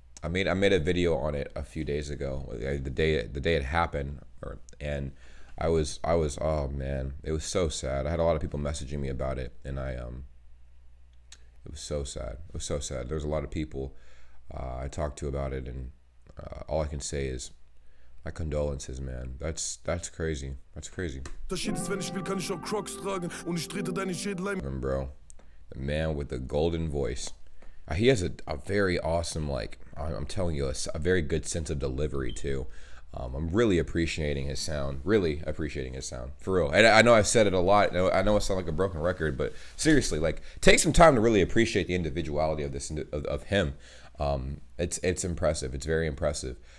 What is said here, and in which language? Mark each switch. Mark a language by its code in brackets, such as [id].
[en] I made a video on it a few days ago, the day it happened, and I was oh man, it was so sad. I had a lot of people messaging me about it, and it was so sad. There's a lot of people I talked to about it, and all I can say is my condolences, man. That's crazy. [de] Das shit ist, wenn ich will, kann ich auch Crocs tragen und ich trete deine Schädel ein. [en] Bro, the man with the golden voice. He has a very awesome, like, I'm telling you, a very good sense of delivery, too. I'm really appreciating his sound. Really appreciating his sound. For real. And I know I've said it a lot. I know I sound like a broken record, but seriously, like, take some time to really appreciate the individuality of this, of him. It's impressive. It's very impressive.